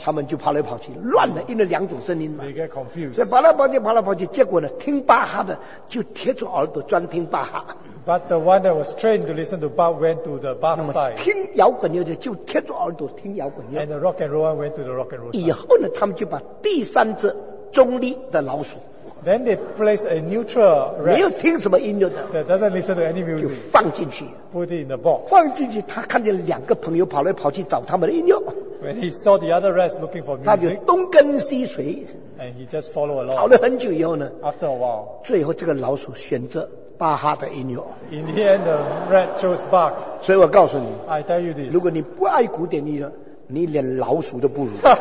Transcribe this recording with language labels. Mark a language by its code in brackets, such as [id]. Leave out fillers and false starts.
[zh] 他们就跑来跑去, 乱了, 因为两种声音嘛, [en] they get confused. [zh] 所以跑来跑去, 结果呢, 听巴哈的, 就贴住耳朵, 专听巴哈。 [en] But the one that was trained to listen to Bach went to the Bach side. [zh] 听摇滚乐的就贴住耳朵听摇滚乐。 [en] And the rock and roll went to the rock and roll side. [zh] 以后呢, 他们就把第三只, 中立的老鼠, [en] then they place a neutral rat, [zh] 没有听什么音乐的, [en] that doesn't listen to any music, [zh] 就放进去, [en] put it in the box. [zh] 放进去, 他看见两个朋友跑来跑去找他们的音乐, [en] when he saw the other rats looking for music, [zh] 他就东跟西随, [en] and he just follow along. [zh] 跑了很久以后呢, [en] after a while, [zh] 最后这个老鼠选择, 巴哈的音乐。 [en] In the end, the rat chose Bach. [zh] 所以我告诉你, [en] I tell you this, [zh] 如果你不爱古典音乐, 你连老鼠都不如。